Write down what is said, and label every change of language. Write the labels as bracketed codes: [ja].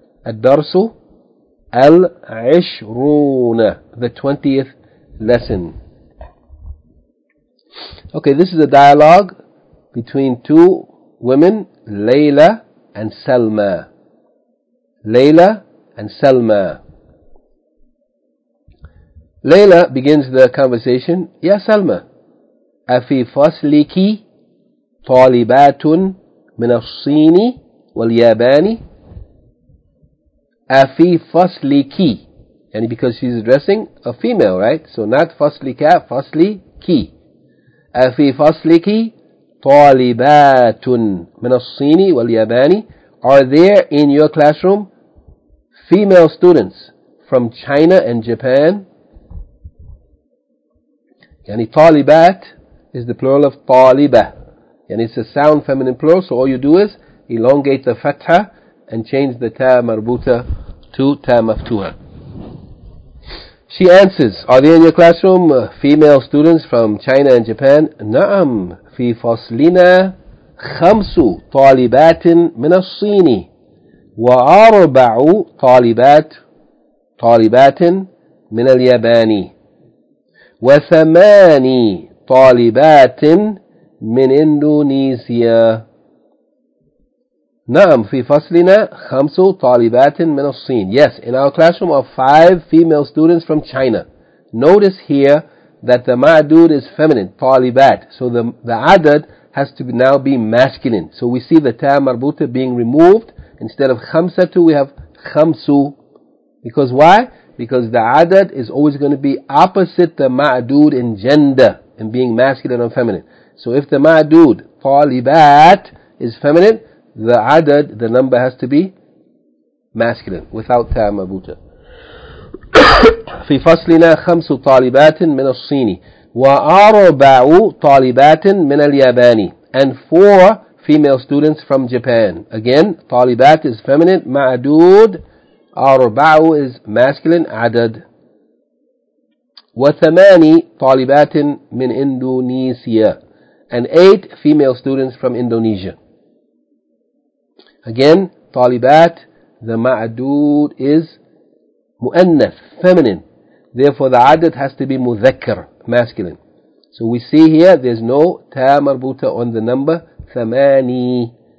[ar] Ad-Darsu Al-Ishruna, [en] the 20th lesson. Okay, this is a dialogue between two women, Layla and Salma. Layla and Salma. Layla begins the conversation, [ar] Ya Salma, أَفِي فَصْلِكِ طَالِبَاتٌ مِنَ الصِّينِ وَالْيَابَانِ أَفِي فَصْلِكِ [en] And because she's addressing a female, right? So not fasli ka, fasli ki. [ar] Afi fasli ki talibatun min as-sini wal-yabani. [en] Are there in your classroom female students from China and Japan? Yani talibat is the plural of taliba. And it's a sound feminine plural, so all you do is elongate the fatha and change the ta marbuta to ta maftuha. She answers, are there in your classroom female students from China and Japan? [ar] Na'am, fi faslina khamsu talibatin min as-sini wa arba'u talibatin min al-yabani wa thamani talibatin من إندونيسيا. نعم في فصلنا خمس طالبات من الصين. [en] Yes, in our classroom are 5 female students from China. Notice here that the ma'dud is feminine, طالبات. So the adad has to now be masculine. So we see the ta' marbuta being removed. Instead of خمسة we have خمسو. Because why? Because the adad is always going to be opposite the ma'dud in gender and being masculine and feminine. So if the ma'dud, talibat, is feminine, the adad, the number has to be masculine, without ta' marbuta. [ar] في فصلنا خمس طالبات من الصيني وأربع طالبات من الياباني. [en] And 4 female students from Japan. Again, talibat is feminine, ma'dud, أربع is masculine, adad. [ar] وثماني طالبات من إندونيسيا. [en] And 8 female students from Indonesia. Again, talibat, the ma'adud is mu'annath, feminine. Therefore, the adad has to be mudhakkar, masculine. So we see here, there's no ta marbuta on the number thamani.